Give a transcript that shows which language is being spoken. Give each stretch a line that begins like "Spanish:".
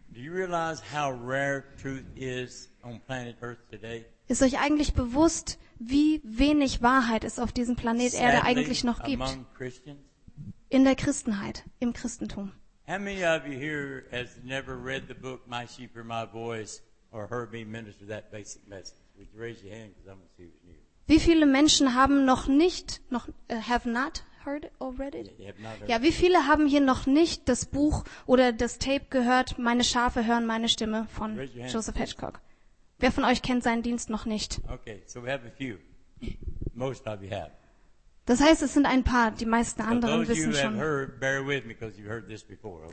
English: Do you realize how rare truth is on planet Earth today?
German: Ist euch eigentlich bewusst, wie wenig Wahrheit es auf diesem Planet Erde eigentlich noch gibt?
English: Among Christians?
German: In der Christenheit, im Christentum.
English: How many of you here has never read the book My Sheep or My Voice? Or heard me minister that basic message. Would you raise your hand because I'm going to see who's new.
German: Wie viele Menschen haben noch nicht noch
English: have not heard it or read it?
German: Ja, wie viele haben hier noch nicht das Buch oder das Tape gehört? Meine Schafe hören meine Stimme von Joseph Hitchcock. Wer von euch kennt seinen Dienst noch nicht?
English: Okay, so we have a few. Most of you have.
German: Das heißt, es sind ein paar, die meisten anderen wissen schon.